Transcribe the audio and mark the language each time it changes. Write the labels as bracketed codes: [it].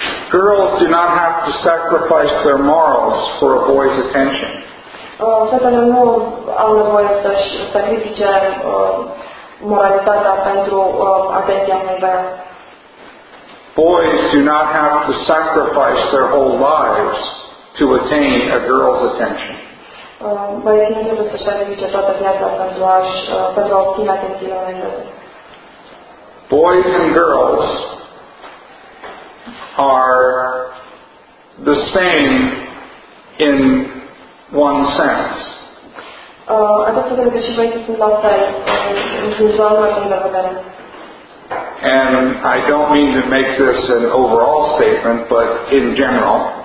[en] Girls do not have to sacrifice their morals for a boy's attention. [ro] Fetele nu au nevoie să sacrifice moralitatea pentru atenția unui băiat. [en] Boys do not have to sacrifice their whole lives to attain a girl's attention. [ro] Băieții nu trebuie să-și sacrifice toată viața pentru a obține atenția unui băiat. [en] Boys and girls are the same in one sense. [ro] Atât fetele cât și băieții sunt la fel în zona unui de vedere. [en] And I don't mean to make this an overall statement, but in general.